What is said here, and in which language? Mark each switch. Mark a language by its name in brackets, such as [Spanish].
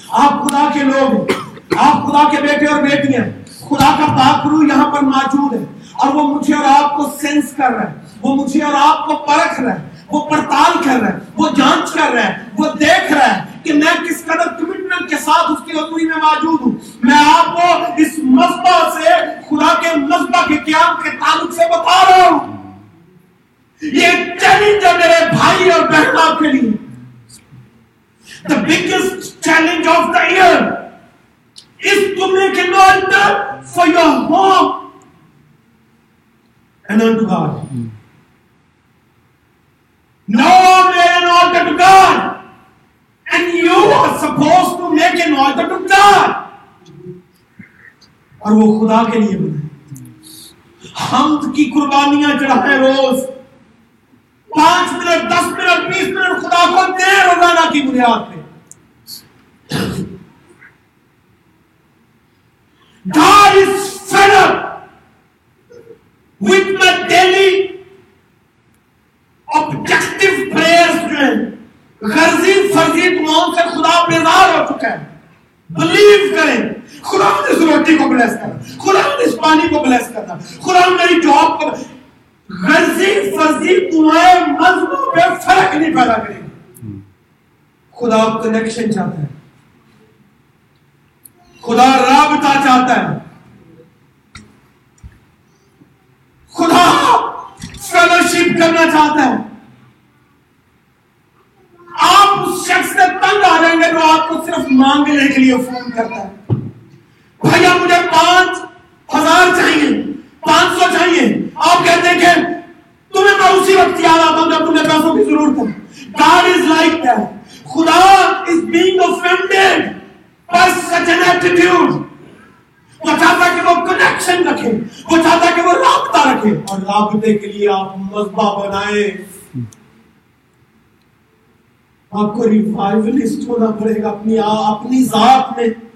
[Urdu] آپ خدا کے لوگ ہیں, آپ خدا کے بیٹے اور بیٹیاں, خدا کا پاک روح یہاں پر موجود ہے اور وہ مجھے اور آپ کو سینس کر رہا ہے, وہ مجھے اور آپ کو پرکھ رہا ہے, وہ پڑتال کر رہا ہے, وہ جانچ کر رہا ہے, وہ دیکھ رہا ہے کہ میں کس قدر کمٹمنٹ کے ساتھ اس کی حضوری میں موجود ہوں. میں آپ کو اس مذبح سے, خدا کے مذبح کے قیام کے تعلق سے بتا رہا ہوں. یہ چیلنج ہے میرے بھائی اور بہن آپ کے لیے. [English] The biggest challenge of the year is to make an altar for your home. And unto God. Noah made an altar to God. And you are supposed to make an altar to God. [Urdu] اور وہ خدا کے لیے بنائے. حمد کی قربانیاں چڑھائے روز, پانچ منٹ, دس منٹ, بیس منٹ خدا کو دے روزانہ کی بنیاد پہ. [English] God is fed up with my daily objective prayers. [Urdu] غرضی فرضی دعاؤں سے خدا بیزار ہو چکا ہے. بلیو کریں, خدا نے اس روٹی کو بلیس کرا, خدا نے اس پانی کو بلیس کرا, خدا میری جاب کو. غرضی فرضی دعائیں مضمون پہ فرق نہیں پیدا کریں گے. خدا کنیکشن چاہتا ہے, خدا رابطہ چاہتا ہے, خدا فیلوشپ کرنا چاہتا ہے. آپ اس شخص سے تنگ آ جائیں گے جو آپ کو صرف مانگنے کے لیے فون کرتا ہے, بھائی آپ مجھے 5,000 چاہیے, 500 چاہیے. آپ کہتے ہیں کہ تمہیں میں اسی وقت یاد آتا ہوں جب تمہیں پیسوں کی ضرورت ہے. [English] God is like that. خدا is being offended by such an attitude. [Urdu] وہ چاہتا ہے کہ وہ کنیکشن رکھے, وہ چاہتا ہے کہ وہ رابطہ رکھے, اور رابطے کے لیے آپ مذبح بنائے. آپ کو ریوائولسٹ ہونا پڑے گا اپنی ذات میں.